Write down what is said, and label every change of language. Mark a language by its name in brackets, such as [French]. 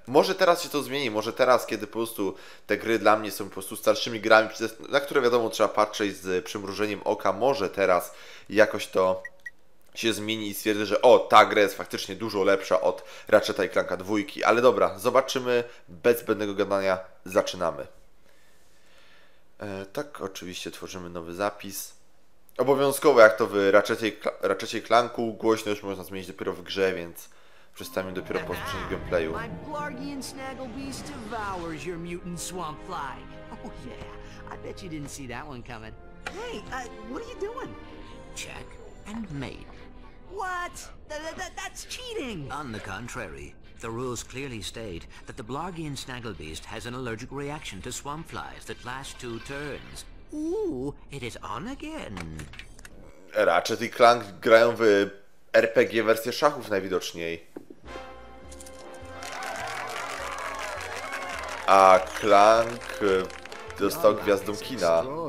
[Polish] Może teraz się to zmieni, może teraz, kiedy po prostu te gry dla mnie są po prostu starszymi grami, na które wiadomo trzeba patrzeć z przymrużeniem oka, może teraz jakoś to się zmieni i stwierdzę, że o, ta gra jest faktycznie dużo lepsza od Ratcheta i Clanka dwójki. Ale dobra, zobaczymy, bez zbędnego gadania, zaczynamy. Tak, oczywiście tworzymy nowy zapis. Obowiązkowo, jak to w Ratchecie i Clanku, głośność można zmienić dopiero w grze, więc przestaniemy dopiero po usłyszeniu gameplayu. [English] My Blargian Snagglebeast devours your mutant swamp fly. Oh yeah, I bet you didn't see that one coming. Hey, what are you doing? Check. And mate. What? That's cheating! On the contrary, the rules clearly state that the Blargian Snagglebeast has an allergic reaction to swamp flies that last two turns. Ooh, it is on again! [Polish] Ratchet i Clank grają w RPG wersję szachów najwidoczniej. A Clank dostał gwiazdą kina.